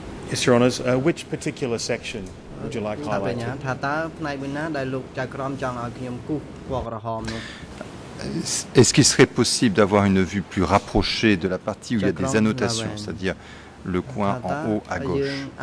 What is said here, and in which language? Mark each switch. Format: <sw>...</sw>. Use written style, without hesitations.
<en>Yes, Your Honours, which particular section would you like highlighted?</en> <km>ថាតើផ្នែកណាដែលលោកចៅក្រមចង់ឲ្យខ្ញុំគូសពណ៌ក្រហមនោះ</km> <fr>Est-ce qu'il serait possible d'avoir une vue plus rapprochée de la partie où il y a des annotations, c'est-à-dire le coin en haut à gauche?</fr>